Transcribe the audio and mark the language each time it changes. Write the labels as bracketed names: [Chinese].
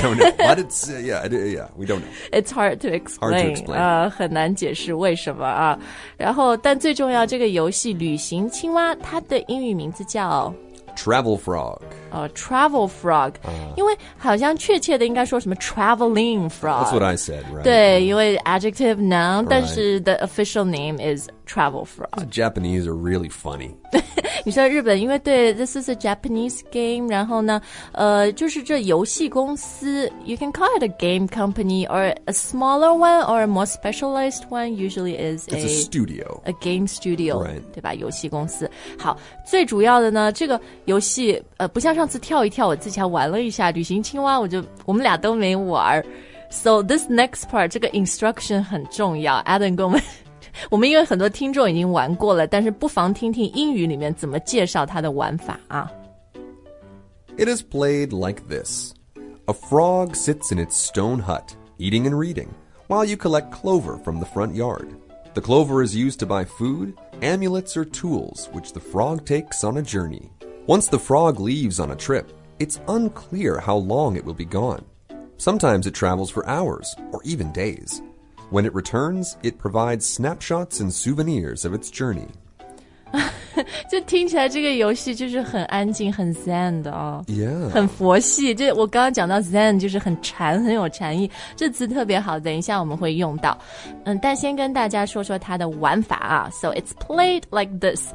[English] ，we don't know. But it's we don't know. It's hard to explain. Hard to explain. [Chinese] 很难解释为什么啊，然后但最重要，这个游戏《旅行青蛙》它的英语名字叫 [English] Travel Frog。 [Chinese] Travel Frog， 因为好像确切的应该说什么 Traveling Frog。 [English] That's what I said, right? [Chinese] 对，因为 [English] adjective noun， [Chinese] 但是 [English] the official name is Travel Frog. The Japanese are really funny. [Chinese] 你说日本，因为对 [English] ，this is a Japanese game， [Chinese] 然后呢，就是这游戏公司 [English] ，you can call it a game company or a smaller one or a more specialized one. Usually is a studio, a game studio,、 right. [Chinese] 对吧？游戏公司。好，最主要的呢，这个游戏不像上次跳一跳，我自己还玩了一下《旅行青蛙》，我们俩都没玩。 [English] So this next part, [Chinese] 这个 instruction 很重要。Adam 跟我们。我们因为很多听众已经玩过了，但是不妨听听英语里面怎么介绍它的玩法啊。 [English] It is played like this. A frog sits in its stone hut, eating and reading, while you collect clover from the front yard. The clover is used to buy food, amulets or tools, which the frog takes on a journey. Once the frog leaves on a trip, it's unclear how long it will be gone. Sometimes it travels for hours, or even days. When it returns, it provides snapshots and souvenirs of its journey. [Chinese] 就听起来这个游戏就是很安静很 zen 的哦。 [English] Yeah. [Chinese] 很佛系。就我刚刚讲到 zen 就是很禅很有禅意。这词特别好等一下我们会用到。但先跟大家说说它的玩法啊。 [English] So it's played like this.、